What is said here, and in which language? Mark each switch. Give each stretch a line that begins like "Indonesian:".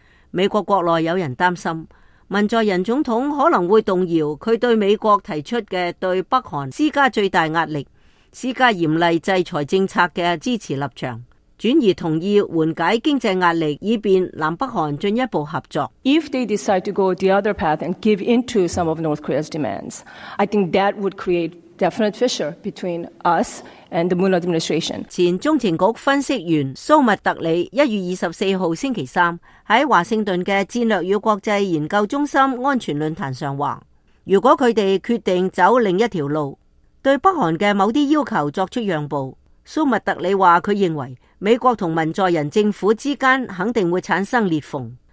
Chinese: 美国国内有人担心文在寅总统可能会动摇他对美国提出的对北韩施加最大压力、施加严厉制裁政策的支持立场，转而同意缓解经济压力，以便南北韩进一步合作。
English: If they decide to go the other path and give in to some of North Korea's demands, I think that would create definite fissure between us and the Moon administration.
Chinese: 前中情局分析员苏密特里一月二十四号星期三在华盛顿的战略与国际研究中心安全论坛上话，如果他们决定走另一条路，对北韩的某些要求作出让步，苏密特里话他认为美国和文在寅政府之间肯定会产生裂缝。